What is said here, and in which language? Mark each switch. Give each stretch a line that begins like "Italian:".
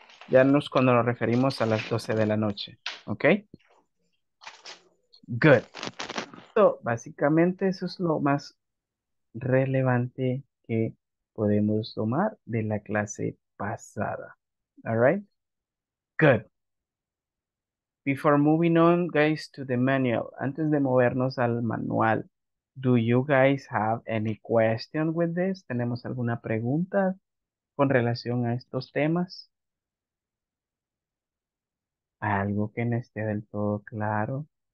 Spanish: Ya no es cuando nos referimos a las 12 de la noche, ¿ok? Good. So, básicamente eso es lo más relevante que podemos tomar de la clase pasada, all right?
English: Good. Before moving on, guys, to the manual, antes de movernos al manual, do you guys have any question with this?
Spanish: ¿Tenemos alguna pregunta con relación a estos temas? ¿Algo que no esté del todo claro?